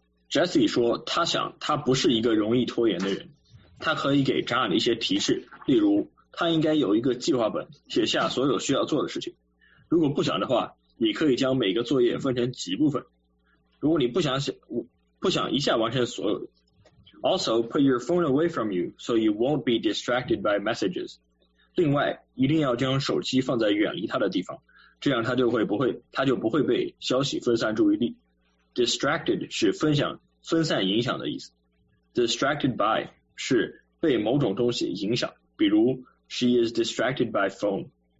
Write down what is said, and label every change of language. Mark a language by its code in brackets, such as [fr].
[zh] Jesse 说他想他不是一个容易拖延的人，他可以给 John 一些提示，例如他应该有一个计划本，写下所有需要做的事情。如果不想的话，你可以将每个作业分成几部分。如果你不想一下完成所有的。 [en] Also, put your phone away from you so you won't be distracted by messages. [zh] 另外，一定要将手机放在远离他的地方，这样他就不会被消息分散注意力。 Distracted 是分散影响的意思。Distracted by 是被某种东西影响，比如 [en] She is distracted by phone.